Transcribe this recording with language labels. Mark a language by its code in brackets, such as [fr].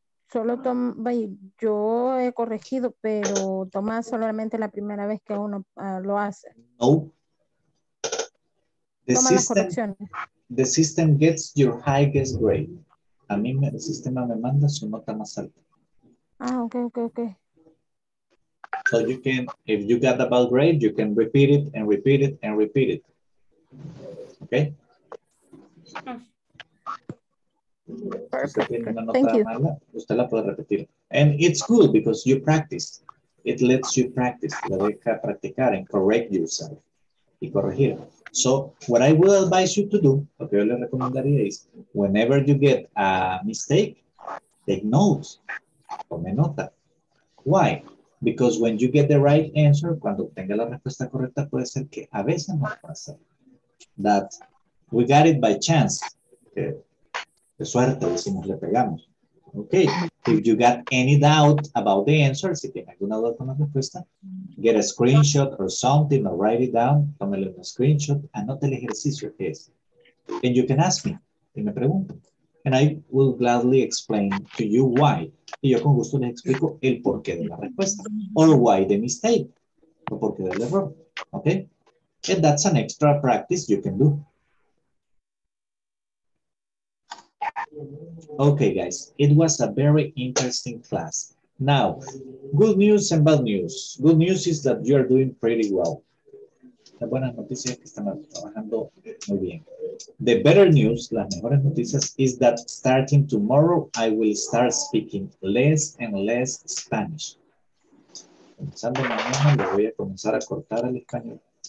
[es] Yo he corregido, pero toma solamente la primera vez que uno lo hace. No. The toma system, las correcciones. [en] The system gets your highest grade. [es] A mí el sistema me manda su nota más alta. [en] Ah, okay. So you can, if you got a bad grade, you can repeat it and repeat it and repeat it. Okay? Perfect. [es] Usted la puede repetir. [en] And it's cool because you practice. It lets you practice. [es] La deja practicar [en] and correct yourself. [es] Y corregir. [en] So what I will advise you to do, [es] lo que yo le recomendaría es, [en] whenever you get a mistake, take notes, [es] tome nota. [en] Why? Because when you get the right answer, [es] cuando obtenga la respuesta correcta, puede ser que a veces no pasa. [en] That we got it by chance. [es] De suerte, decimos, le pegamos. [en] Okay, if you got any doubt about the answer, [es] si tiene alguna duda con la respuesta, [en] get a screenshot or something, or write it down, [es] tómele un screenshot, anote el ejercicio que es. [en] And you can ask me, [es] y me pregunto. [en] And I will gladly explain to you why. [es] Y yo con gusto le explico el porqué de la respuesta. [en] Or why the mistake. [es] O porqué del error. [en] Okay? And that's an extra practice you can do. Okay, guys. It was a very interesting class. Now, good news and bad news. Good news is that you are doing pretty well. [es] La buena noticia es que están trabajando muy bien. [en] The better news, [es] las mejores noticias, [en] is that starting tomorrow, I will start speaking less and less Spanish. [es] Comenzando mañana, le voy a comenzar a cortar el español.